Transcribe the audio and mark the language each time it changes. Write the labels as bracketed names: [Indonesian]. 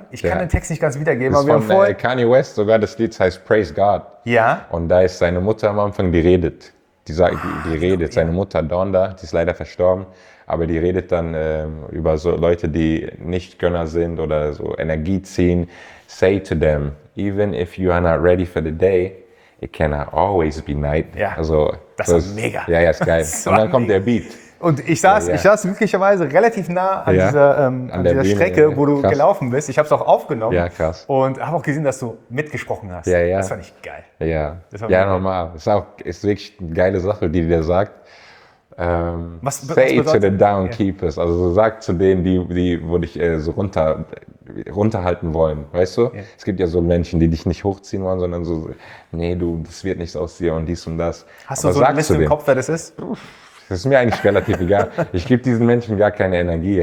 [German] Ich kann den Text nicht ganz wiedergeben. Das ist von Kanye West sogar, das Lied heißt Praise God. Ja. Und da ist seine Mutter am Anfang, die redet. Seine Mutter Donda, die ist leider verstorben, aber die redet dann über so Leute, die nicht Gönner sind oder so Energie ziehen. [English] Say to them, even if you are not ready for the day, it cannot always be night. [German] Ja, also, das ist mega. Ja, ja, ist geil. Und dann kommt der Beat. Und ich saß glücklicherweise relativ nah an dieser Bühne, Strecke, wo du gelaufen bist. Ich habe es auch aufgenommen. Ja, krass. Und habe auch gesehen, dass du mitgesprochen hast. Ja, ja. Das fand ich geil. Ja, ja, normal. Ist wirklich eine geile Sache, die der sagt. [English] Say to the downkeepers. [German] Ja. Also sag zu denen, die wo dich so runterhalten wollen. Weißt du? Ja. Es gibt ja so Menschen, die dich nicht hochziehen wollen, sondern so, nee, du, das wird nichts aus dir und dies und das. Hast aber du so ein bisschen im Kopf, wer das ist? Das ist mir eigentlich relativ egal. Ich gebe diesen Menschen gar keine Energie.